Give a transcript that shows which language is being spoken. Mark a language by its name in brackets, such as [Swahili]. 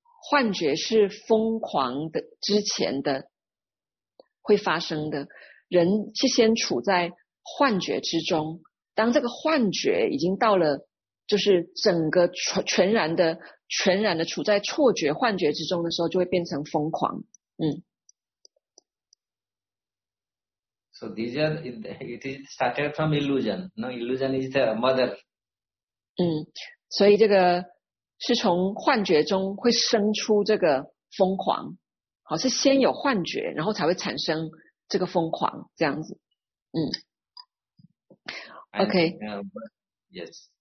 [Chinese] 幻觉是疯狂的之前的会发生的，人是先处在幻觉之中，当这个幻觉已经到了就是整个全然的处在错觉幻觉之中的时候，就会变成疯狂。 [English] So these are, it is started from illusion. No, illusion is the mother. [Chinese] 所以这个是从幻觉中会生出这个疯狂。好，是先有幻觉，然后才会产生这个疯狂，这样子。 [English] OK. Yes.